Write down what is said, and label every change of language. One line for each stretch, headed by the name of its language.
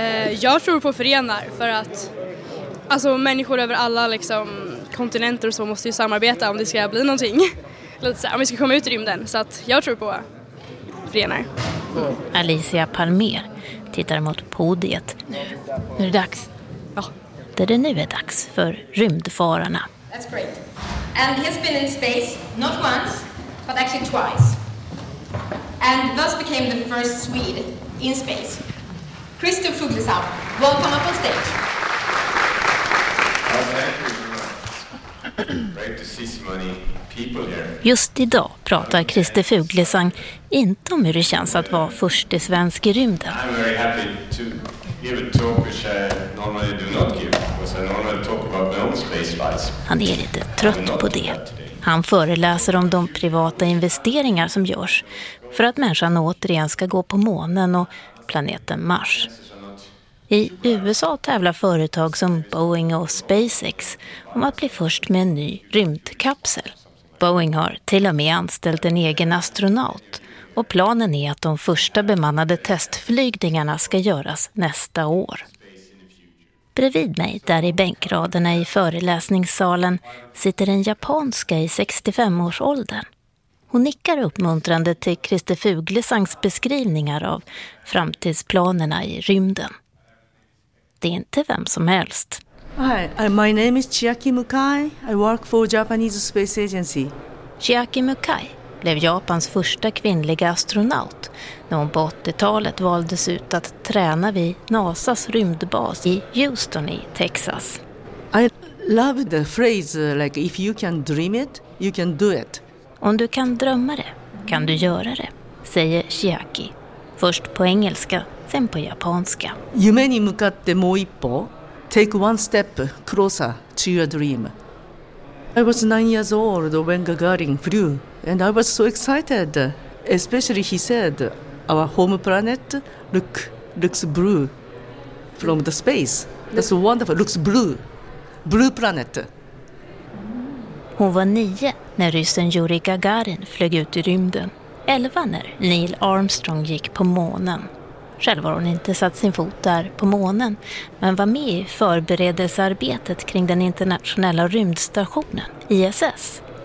Swedish: Jag tror på förenar för att alltså, människor över alla liksom, kontinenter och så måste ju samarbeta om det ska bli någonting. Om vi ska komma ut i rymden. Så att jag tror på förenar. Alicia Palmer tittar mot podiet. Nu är det dags. Ja. Där det nu är dags för rymdfararna.
English: That's great. And he has been in space not once, but actually twice. And thus became the first Swede in space. Christer Fuglesang, welcome up on stage.
Swedish: Just idag pratar Christer Fuglesang inte om hur det känns att vara först i svensk i rymden.
English: I'm very happy to give a talk which I normally do not give, because I normally talk about my own space flights.
Swedish: Han är lite trött på det. Han föreläser om de privata investeringar som görs för att människan återigen ska gå på månen och planeten Mars. I USA tävlar företag som Boeing och SpaceX om att bli först med en ny rymdkapsel. Boeing har till och med anställt en egen astronaut. Och planen är att de första bemannade testflygningarna ska göras nästa år. Bredvid mig, där i bänkraderna i föreläsningssalen, sitter en japanska i 65-årsåldern. Hon nickar uppmuntrande till Christer Fuglesangs beskrivningar av framtidsplanerna i rymden. Det är inte vem som helst.
English: Hi, my name is Chiaki Mukai. I work for Japanese Space Agency.
Swedish: Chiaki Mukai blev Japans första kvinnliga astronaut när hon på 80-talet valdes ut att träna vid NASA:s rymdbas i Houston i Texas.
English: I love the phrase like if you can dream it, you can do it.
Swedish: Om du kan drömma det, kan du göra det, säger Chiaki. Först på engelska, sen på japanska.
Japanese: Yume ni mukatte mo ippo.
English: Take one step closer to your dream. I was 9 years old when Gagarin flew, and I was so excited. Especially he said, our home planet looks blue from the space. That's wonderful, looks blue. Blue planet.
Swedish: Hon var 9 när ryssen Yuri Gagarin flög ut i rymden. 11 när Neil Armstrong gick på månen. Själv har hon inte satt sin fot där på månen, men var med i förberedelsearbetet kring den internationella rymdstationen, ISS.